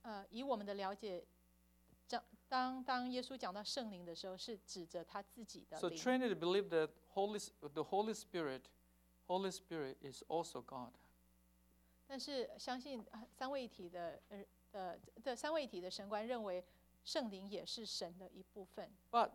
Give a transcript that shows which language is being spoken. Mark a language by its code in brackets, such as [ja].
[zh] 以我们的了解，当耶稣讲到圣灵的时候，是指着他自己的灵。 [en] So Trinity believe that the Holy Spirit is also God. [zh] 但是相信三位一体的神观认为圣灵也是神的一部分。 [en] But